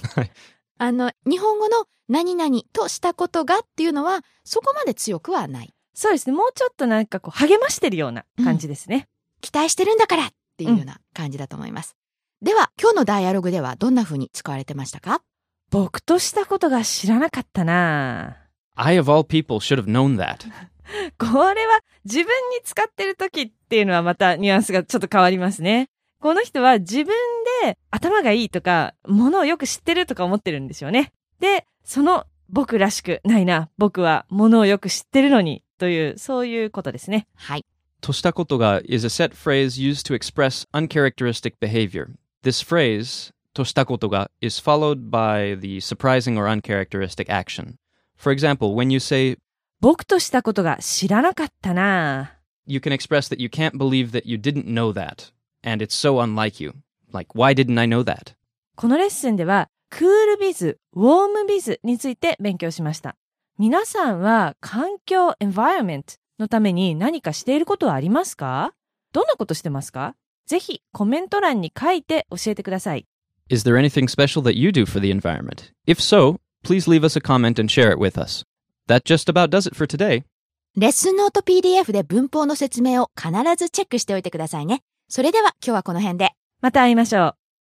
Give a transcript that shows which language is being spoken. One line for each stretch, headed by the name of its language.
Japanese: 日本語の何々としたことがっていうのはそこまで強くはない。そうですね、もうちょっとなんかこう励ましてるような感じですね、うん、期待してるんだからっていうような感じだと思います、うん、では今日のダイアログではどんな風に使われてましたか？僕としたことが知らなかったな。
English: I of all people should have known that.
Japanese: これは自分に使ってる時っていうのはまたニュアンスがちょっと変わりますね。この人は自分で頭がいいとかものをよく知ってるとか思ってるんでしょうね。で、その僕らしくないな、僕はものをよく知ってるのにという、そういうことですね。はい。
English: としたことが is a set phrase used to express uncharacteristic behavior. This phrase, としたことが is followed by the surprising or uncharacteristic action. For example, when you say
Japanese: 僕としたことが知らなかったな。
English: You can express that you can't believe that you didn't know that. And it's so unlike you. Like, why didn't I know that?
Japanese: このレッスンではクールビズ、ウォームビズについて勉強しました。皆さんは環境 environment のために何かしていることはありますか？どんなことしてますか？ぜひコメント欄に書いて教えてください。
English: Is there anything special that you do for the environment? If so, please leave us a comment and share it with us. That just about does it for today.
Japanese: レッスンノート PDF で文法の説明を必ずチェックしておいてくださいね。それでは今日はこの辺で。また会いましょう。